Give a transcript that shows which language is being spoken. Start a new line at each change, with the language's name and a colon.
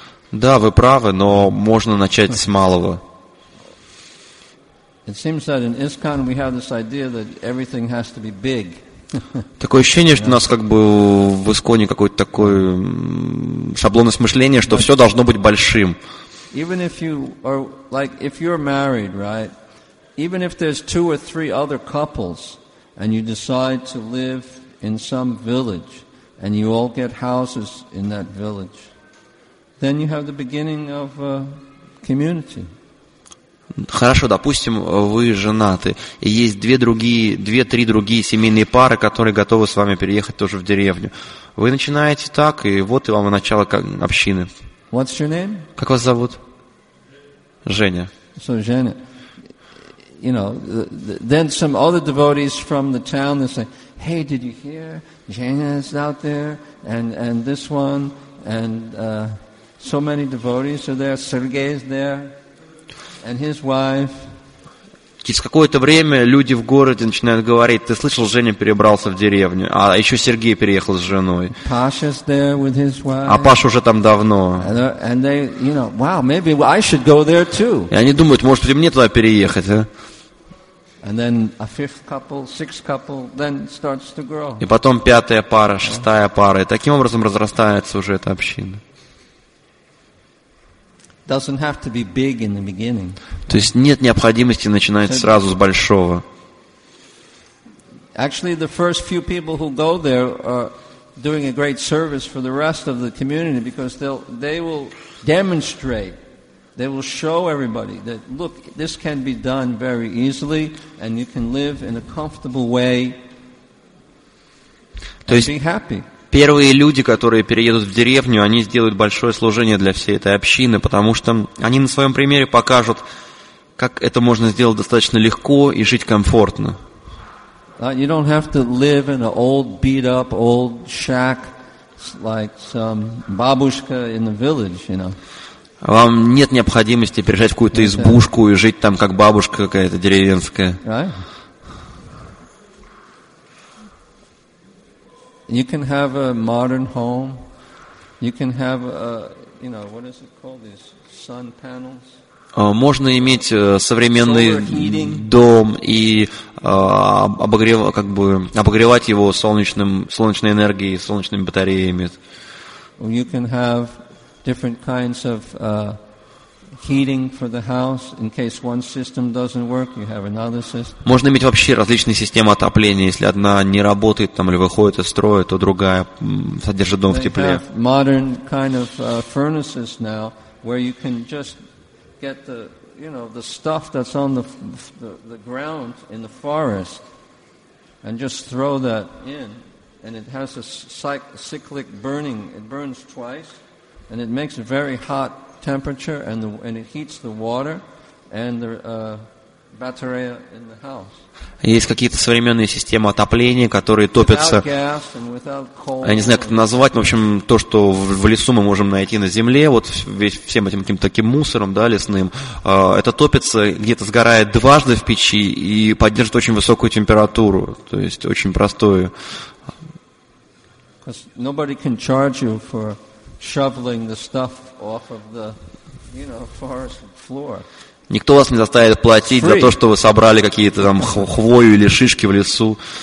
Russian: Да, вы правы, но можно начать с малого.
English: It seems that in ISKCON we have this idea that everything has to be big.
Russian: Такое ощущение, что у нас как бы в ИСКОНе какой-то такой шаблонное мышление, что все должно быть большим.
English: Even if you are like if you're married, right? Even if there's two or three other couples and you decide to live in some village, and you all get houses in that village, then you have the beginning of a community.
Russian: Хорошо, допустим, вы женаты, и есть две-три другие семейные пары, которые готовы с вами переехать тоже в деревню. Вы начинаете так, и вот и вам начало общины.
English: What's your name?
Russian: Как вас зовут? Женя.
English: So, Женя. You know, then some other devotees from the town, they say, hey, did you hear? Женя is out there, and this one, and so many devotees are there. Сергей is there. And his wife.
Russian: Через какое-то время люди в городе начинают говорить: ты слышал, Женя перебрался в деревню, а еще Сергей переехал с женой.
English: Pasha's there with his wife.
Russian: А Паша уже там давно.
English: And they, you know, wow, maybe I should go there too.
Russian: И они думают, может быть, мне туда переехать, а?
English: And then a fifth couple, sixth couple, then starts to grow.
Russian: И потом пятая пара, шестая пара, и таким образом разрастается уже эта община.
English: Doesn't have to be big in the beginning.
Russian: То есть нет необходимости начинать so, сразу с большого.
English: Actually, the first few people who go there are doing a great service for the rest of the community because they will demonstrate, they will show everybody that look, this can be done very easily and you can live in a comfortable way and be happy.
Russian: Первые люди, которые переедут в деревню, они сделают большое служение для всей этой общины, потому что они на своем примере покажут, как это можно сделать достаточно легко и жить комфортно.
English: You don't have to live in an old, beat-up, old shack like some бабушка in the village, you know.
Russian: Вам нет необходимости переезжать в какую-то избушку и жить там, как бабушка какая-то деревенская.
English: Right? You can have a modern home. You can have you know, what is it called? These sun panels.
Russian: Можно иметь современный дом и обогревать его солнечной энергией, солнечными батареями.
English: You can have different kinds of heating for the house in case one system doesn't work, you have another system.
Russian: Можно иметь вообще различные системы отопления, если одна не работает там или выходит из строя, то другая содержит дом в тепле.
English: They have modern kind of furnaces now where you can just get the, you know, the stuff that's on the ground in the forest and just throw that in and it has a cyclic burning. It burns twice and it makes a very hot temperature and it heats the water and the battery in the house.
Russian: Есть какие-то современные системы отопления, которые топятся. Я не знаю, как это назвать, в общем, то, что в лесу мы можем найти на земле, вот весь всем этим каким-то таким мусором, да, лесным, это топится, где-то сгорает дважды в печи и поддерживает очень высокую температуру, то есть очень простую.
English: Nobody can charge you for shoveling the stuff off of the, you know, forest floor.
Russian: Никто вас не заставит платить за то, что вы собрали какие-то там хвою или шишки в лесу.